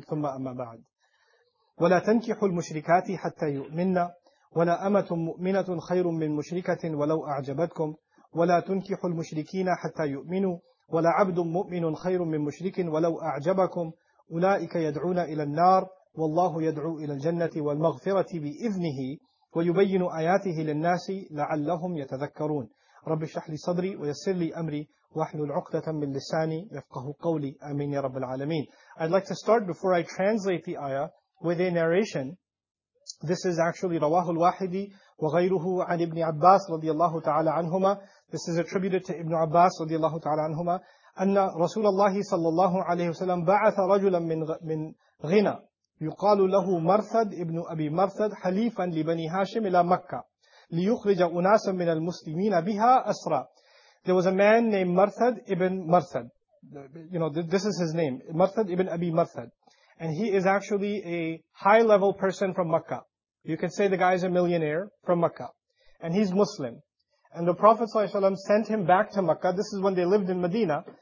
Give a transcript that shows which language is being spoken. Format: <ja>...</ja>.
<ar>ثم أما بعد، ولا تنكحوا المشركات حتى يؤمنن ولا أمة مؤمنة خير من مشركة ولو أعجبتكم ولا تنكحوا المشركين حتى يؤمنوا ولا عبد مؤمن خير من مشرك ولو أعجبكم أولئك يدعون إلى النار والله يدعو إلى الجنة والمغفرة بإذنه ويبين آياته للناس لعلهم يتذكرون. رب اشرح لي صدري ويسر لي أمري واحلل عقدة من لساني يفقه قولي. آمين يا رب العالمين.</ar> <en>I'd like to start before I translate the ayah with a narration. This is actually</en> <ar>رواه الواحدي وغيره عن ابن عباس رضي الله تعالى عنهما.</ar> <en>This is attributed to</en> <ar>ابن عباس رضي الله تعالى عنهما. أن رسول الله صلى الله عليه وسلم بعث رجلا من غنى يقال له مرثد ابن أبي مرثد حليفا لبني هاشم إلى مكة ليخرج أناسا من المسلمين بها أسرى.</ar> <en>There was a man named مرثد ابن مرثد. You know, this is his name, مرثد ابن أبي مرثد. And he is actually a high level person from Mecca. You can say the guy is a millionaire from Mecca. And he's Muslim. And the Prophet ﷺ sent him back to Mecca. This is when they lived in Medina.</en>